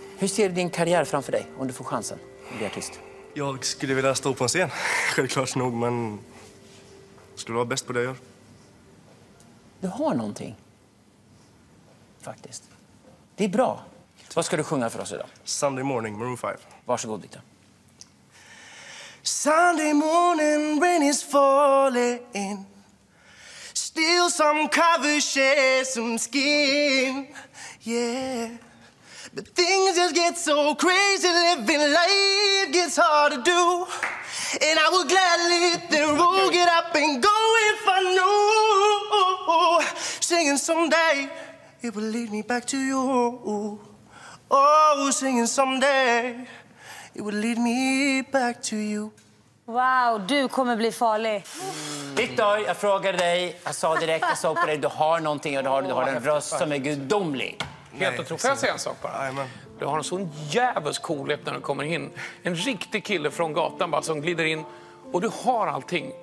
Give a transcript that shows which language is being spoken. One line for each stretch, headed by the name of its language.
Swedish: Hur ser din karriär framför dig, om du får chansen att bli artist? Jag skulle vilja stå på en scen, självklart nog, men... Skulle vara bäst på det jag gör. Du har någonting. Faktiskt. Det är bra. Vad ska du sjunga för oss idag?
English: Sunday morning, Maroon 5.
Swedish: Varsågod, Victor.
English: Sunday morning, rain is falling. Still some cover, share some skin. Yeah. But things just get so crazy. Living life gets hard to do. And I would gladly throw get up and go if I knew. Singing someday, it will lead me back to you. Oh, singing someday, it will lead me back to you.
Swedish: Wow, du kommer bli farlig. Victor, jag frågade dig, jag sa direkt, jag sa på dig, du har någonting och du har en röst som är gudomlig. Helt otroligt. Får jag säga en sak bara? Amen. Du har en sån jävels coolhet när du kommer in. En riktig kille från gatan bara som glider in. Och du har allting.